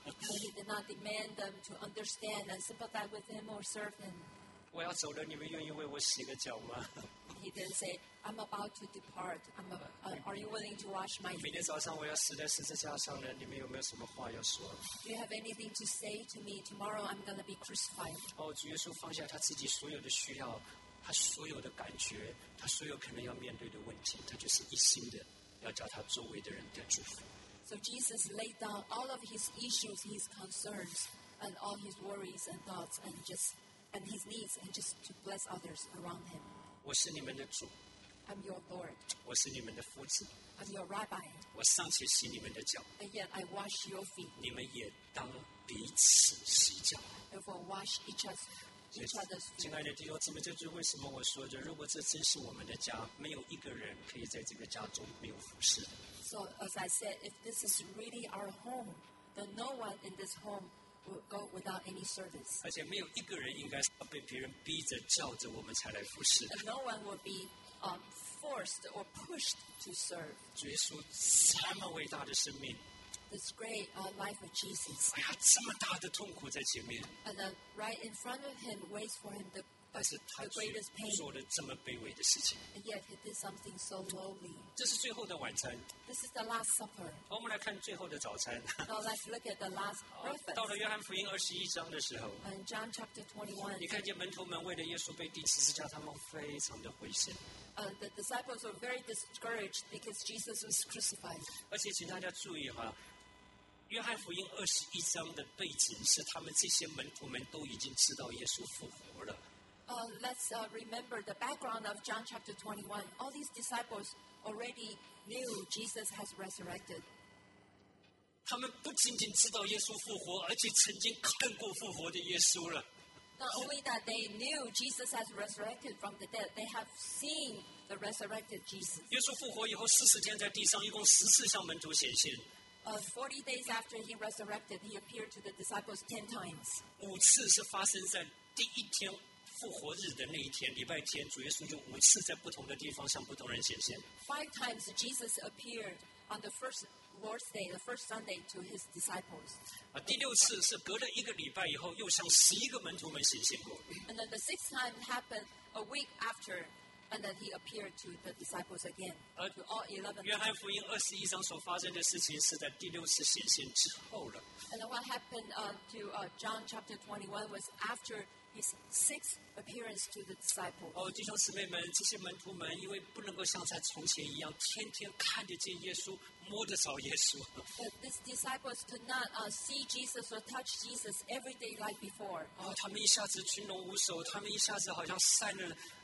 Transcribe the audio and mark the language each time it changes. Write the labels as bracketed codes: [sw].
[en] But he did not demand them to understand and sympathize with him or serve him. [zh] 我要走了，你们愿意为我洗个脚吗？ [en] He didn't say, I'm about to depart. Are you willing to wash my feet? Do you have anything to say to me? Tomorrow I'm going to be crucified. [zh] 主耶稣放下他自己所有的需要，他所有的感觉，他所有可能要面对的问题，他就是一心的要叫他周围的人得祝福。 [en] So Jesus laid down all of his issues, his concerns, and all his worries and thoughts, and just and his needs, and just to bless others around him. [zh] 我是你们的主。 [en] I'm your Lord. [zh] 我是你们的夫子。 [en] I'm your rabbi. [zh] 我尚且洗你们的脚。 [en] And yet I wash your feet. [zh] 你们也当彼此洗脚。 [en] Therefore, wash each other's feet. [zh] 亲爱的弟兄姊妹，这就是为什么我说的，如果这真是我们的家，没有一个人可以在这个家中没有服侍。 [en] So as I said, if this is really our home, then no one in this home will go without any service. [zh] 而且没有一个人应该被别人逼着叫着我们才来服侍。 [en] And no one will be forced or pushed to serve. [zh] 主耶稣这么伟大的生命。 [en] This great life of Jesus. [zh] 哎呀，这么大的痛苦在前面。 [en] And then, right in front of him, waits for him the greatest pain. [zh] 做了这么卑微的事情。 [en] And yet he did something so lowly. [zh] 这是最后的晚餐。 [en] This is the last supper. [zh] 我们来看最后的早餐。 [en] Now let's look at the last breakfast. [zh] 到了约翰福音二十一章的时候。 [en] And John chapter 21. [zh] 你看见门徒们为了耶稣被钉十字架，他们非常的灰心。 [en] The disciples were very discouraged because Jesus was crucified. [zh] 而且请大家注意哈。约翰福音二十一章的背景是他们这些门徒们都已经知道耶稣复活了。 [en] Let's remember the background of John chapter 21. All these disciples already knew Jesus has resurrected. [zh] 他们不仅仅知道耶稣复活，而且曾经看过复活的耶稣了。 [en] Not only that they knew Jesus has resurrected from the dead, they have seen the resurrected Jesus. [zh] 耶稣复活以后四十天在地上，一共十次向门徒显现。 [en] 40 days after he resurrected, he appeared to the disciples 10 times. [zh] 五次是发生在第一天复活日的那一天，礼拜天，主耶稣就五次在不同的地方向不同人显现。 [en] 5 times Jesus appeared on the first Lord's Day, the first Sunday to his disciples. [zh] 第六次是隔了一个礼拜以后，又向十一个门徒们显现过。 [en] And then the sixth time happened a week after. And that he appeared to the disciples again. To all 11. [zh] 约翰福音二十一章所发生的事情是在第六次显现之后了。 [en] And then what happened to John chapter 21 was after his sixth appearance to the disciples. [zh] 弟兄姊妹们，这些门徒们因为不能够像在从前一样天天看得见耶稣、摸得着耶稣。 [en] But these disciples could not see Jesus or touch Jesus every day like before. [zh] 他们一下子群龙无首，他们一下子好像散了。